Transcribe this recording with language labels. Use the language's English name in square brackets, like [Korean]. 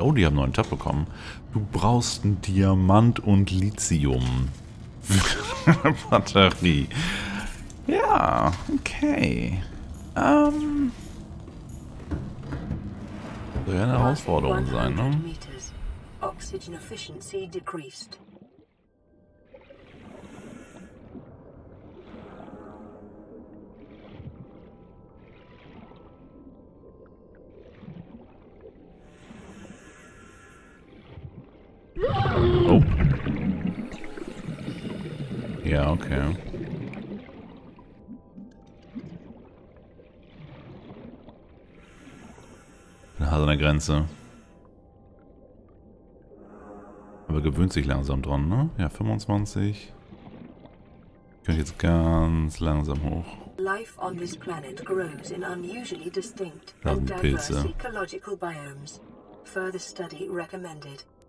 [German] Oh, die haben einen neuen Tab bekommen. Du brauchst ein Diamant und Lithium. Batterie. Ja, okay. Soll ja eine Herausforderung sein, ne? [English] Oxygen efficiency decreased. [German] Ja, okay. Bin hart an der Grenze. Aber gewöhnt sich langsam dran, ne? Ja, 25. Könnte jetzt ganz langsam hoch. [English] Life on this planet grows in unusually distinct and diverse ecological biomes. Further study recommended.